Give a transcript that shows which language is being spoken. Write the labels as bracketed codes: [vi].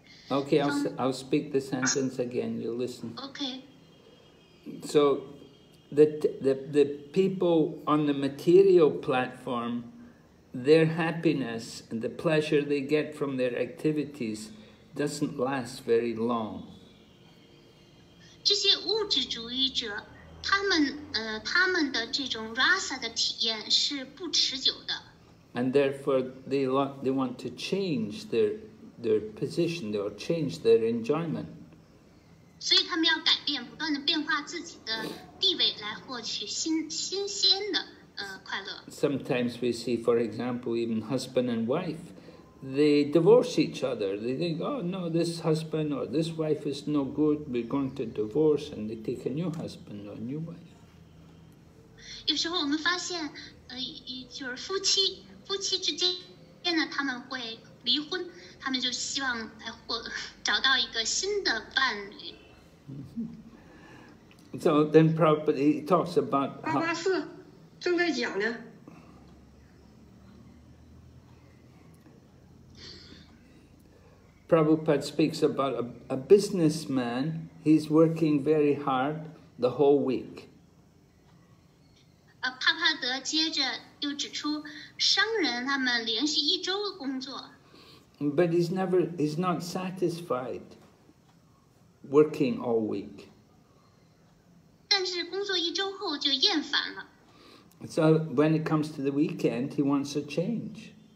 [en] Okay, I'll speak the sentence again. You listen. Okay. So, the people on the material platform, their happiness and the pleasure they get from their activities doesn't last very long. [zh] 这些物质主义者他们的这种 rasa 的体验是不持久的。 [en] And therefore, they want to change their position, they want to change their enjoyment. [zh] 所以他们要改变，不断的变化自己的地位，来获取新鲜的快乐。 [en] Sometimes we see, for example, even husband and wife, they divorce each other. They think, oh no, this husband or this wife is no good. We're going to divorce, and they take a new husband or a new wife. [zh] 有时候我们发现，就是夫妻之间呢，他们会离婚，他们就希望来找到一个新的伴侣。 [en] So then, probably he talks about. [zh] 八八四正在讲呢。 [en] Prabhupada speaks about a businessman. He's working very hard the whole week. [zh] 帕帕德接着又指出，商人他们连续一周工作。 [en] But he's not satisfied working all week. [zh] 但是工作一周后就厌烦了。 [en] So when it comes to the weekend, he wants a change.